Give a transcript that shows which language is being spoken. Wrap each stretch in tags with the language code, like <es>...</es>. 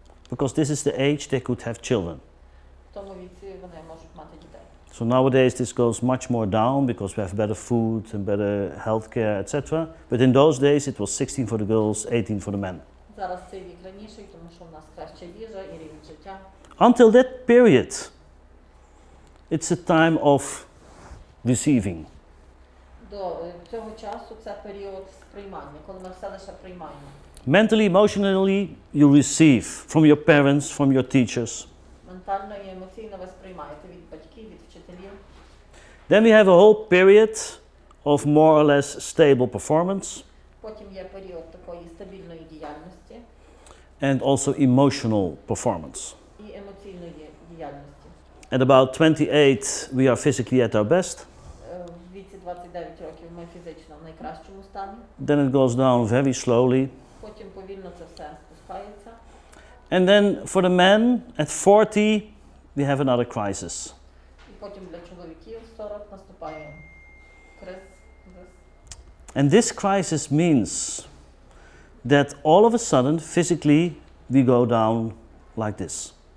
<en>Because this is the age they could have children.</en> <uk>В тому віці вони можуть мати дітей.</uk> <en>So nowadays this goes much more down because we have better food and better healthcare, etc. But in those days it was 16 for the girls, 18 for the men.</en> <uk>Зараз цей вік раніший, тому що у нас краща їжа і рівень життя.</uk> <en>Until that period, it's a time of receiving.</en> <uk>До цього часу це період сприймання, коли ми все лише приймаємо.</uk> <en>Mentally, emotionally, you receive from your parents, from your teachers.</en> <uk>Ментально і емоційно ви сприймаєте від батьків, від вчителів.</uk> <en>Then we have a whole period of more or less stable performance.</en> <uk>Потім є період такої стабільної діяльності.</uk> <en>And also emotional performance.</en> <uk>І емоційної діяльності.</uk> <en>At about 28, we are physically at our best.</en> <uk>В віці 29 років ми фізично в найкращому стані.</uk> <en>Then it goes down very slowly.</en> <uk>Потім повільно це все спускається.</uk> <en>And then for the men, at 40, we have another crisis.</en> <uk>І потім для чоловіків 40 наступає криз.</uk> <en>And this crisis means that all of a sudden, physically, we go down like this.</en>